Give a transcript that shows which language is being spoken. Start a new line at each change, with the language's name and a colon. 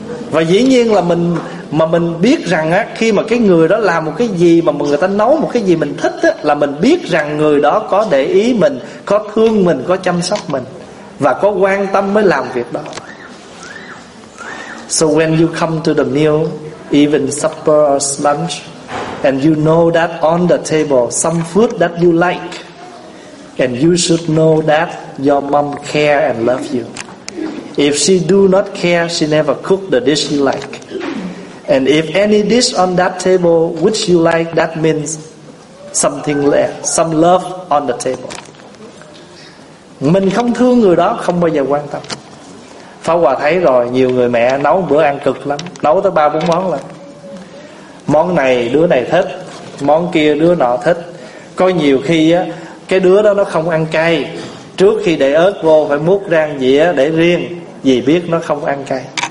Vietnamese: Và dĩ nhiên là mình, mà mình biết rằng á, khi mà cái người đó làm một cái gì mà người ta nấu một cái gì mình thích á, là mình biết rằng người đó có để ý mình, có thương mình, có chăm sóc mình và có quan tâm mới làm việc đó.
English: So when you come to the meal, even supper or lunch, and you know that on the table some food that you like, and you should know that your mom care and love you. If she do not care, she never cook the dish you like. And if any dish on that table which you like, that means something left, some love on the table.
Vietnamese: Mình không thương người đó không bao giờ quan tâm. Pháp Hòa thấy rồi, nhiều người mẹ nấu bữa ăn cực lắm, nấu tới 3-4 món lận. Món này đứa này thích, món kia đứa nọ thích. Có nhiều khi á, cái đứa đó nó không ăn cay, trước khi để ớt vô phải múc rang dĩa để riêng vì biết nó không ăn cay.